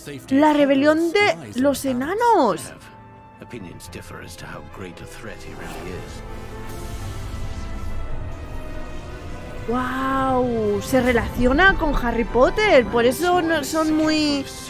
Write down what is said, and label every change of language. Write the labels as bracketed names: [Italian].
[Spanish] La rebelión de los enanos. [English] Opinions differ as to how great a threat he really is. [Spanish] Wow, se relaciona con Harry Potter, por eso no son muy.